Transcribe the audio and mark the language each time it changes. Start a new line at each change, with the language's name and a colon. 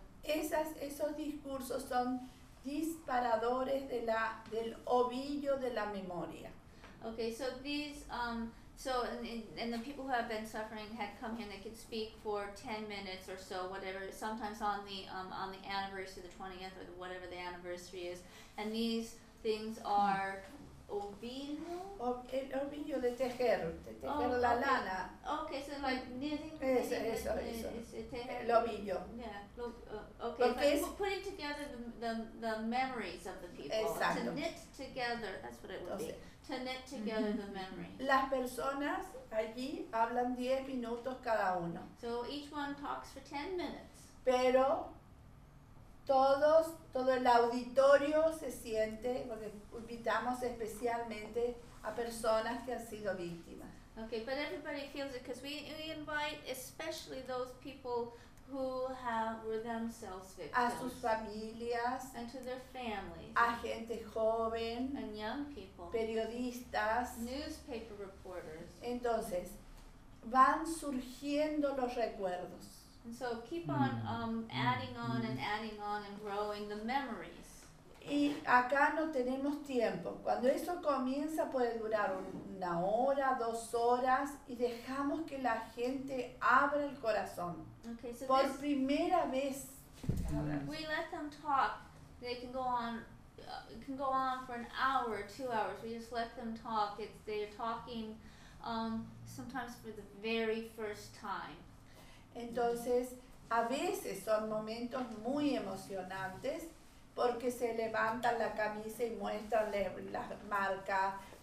Spanish: Esos discursos son disparadores del ovillo de la memoria.
English: Okay, so these, and the people who have been suffering had come here and they could speak for 10 minutes or so, whatever, sometimes on the anniversary, the 20th, or whatever the anniversary is, and these things are ovillo?
Spanish: El ovillo de tejer, la lana.
English: Okay, so like knitting.
Spanish: Eso. El ovillo.
English: But putting together the memories of the people.
Spanish: Exacto.
English: To knit together, that's what it would be. To knit together the memory.
Spanish: Las personas allí hablan 10 minutos cada uno.
English: So each one talks for 10 minutes.
Spanish: Pero todo el auditorio se siente, porque invitamos especialmente a personas que han sido víctimas.
English: Okay, but everybody feels it because we invite especially those people who were themselves victims.
Spanish: A sus familias.
English: And to their families.
Spanish: A gente joven.
English: And young people.
Spanish: Periodistas.
English: Newspaper reporters.
Spanish: Entonces, van surgiendo los recuerdos.
English: And so keep on adding on and adding on and growing the memories.
Spanish: Y acá no tenemos tiempo. Cuando eso comienza puede durar una hora, dos horas y dejamos que la gente abra el corazón.
English: Okay, so
Spanish: por primera vez.
English: We let them talk. They can go on for an hour or 2 hours. We just let them talk. They're talking sometimes for the very first time.
Spanish: Entonces, a veces son momentos muy emocionantes porque se levantan la camisa y muestran las marcas.